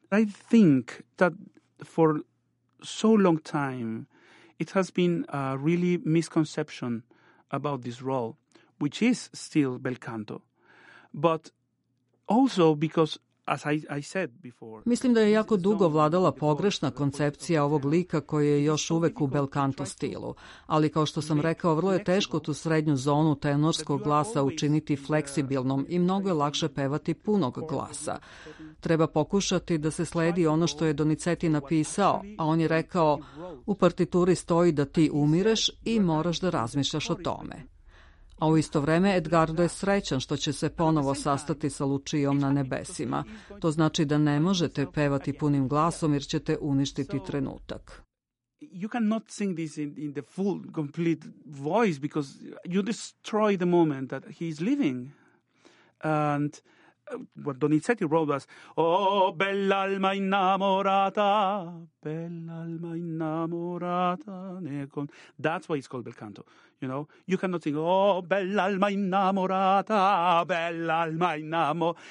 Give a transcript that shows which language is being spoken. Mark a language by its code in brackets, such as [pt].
[en] I think that for so long time it has been a really misconception about this role, which is still bel canto. But also because, as I said before, [sr] mislim da je jako dugo vladala pogrešna koncepcija ovog lika koji je još uvek u bel canto stilu. Ali kao što sam rekao, vrlo je teško tu srednju zonu tenorskog glasa učiniti fleksibilnom i mnogo je lakše pevati punog glasa. Treba pokušati da se sledi ono što je Donizetti napisao, a on je rekao, u partituri stoji da ti umireš i moraš da razmišljaš o tome. A u isto vreme Edgardo je srećan što će se ponovo sastati sa Lučijom na nebesima. To znači da ne možete pevati punim glasom jer ćete uništiti trenutak. [en] You cannot sing this in the full complete voice because you destroy the moment that he is leaving. And what Donizetti wrote was, oh, [it] bell'alma innamorata, bell'alma innamorata. [en] That's why it's called bel canto. You know, you cannot sing, oh, [it] bell'alma innamorata, bell'alma innamo.